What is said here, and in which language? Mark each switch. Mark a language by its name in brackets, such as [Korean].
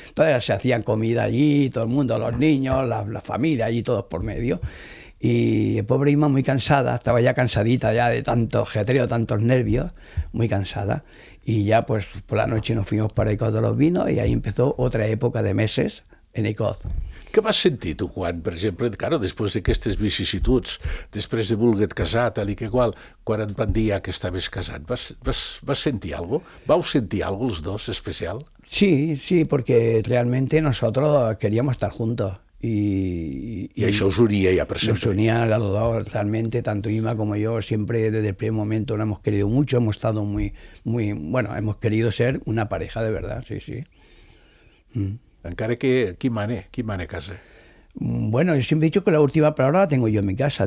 [Spanish] Todavía se hacían comida allí, todo el mundo, los niños, la familia allí, todos por medio. Y el pobre Isma muy cansada, estaba ya cansadita ya de tanto jetreo, tantos nervios, muy cansada. Y ya pues por la noche nos fuimos para Icod de los Vinos y ahí empezó otra época de meses en Icod. [Catalan] Què vas sentir tu quan, per exemple, claro, després d'aquestes vicissituds, després de voler casar, tal i que qual, quan et van dir ja que estaves casat, vas sentir algo? Vau sentir algo els dos especial? [Spanish] Sí, sí, porque realmente nosotros queríamos estar juntos. [Catalan] I això us unia ja per sempre. [Spanish] Nos unia a los dos realmente, tanto Ima como yo, siempre desde el primer momento nos hemos querido mucho, hemos estado muy, muy, bueno, hemos querido ser una pareja de verdad, sí, sí. [Catalan] Mm. Encara que, qui mane a casa? [Spanish] Bueno, yo siempre he dicho que la última palabra la tengo yo en mi casa.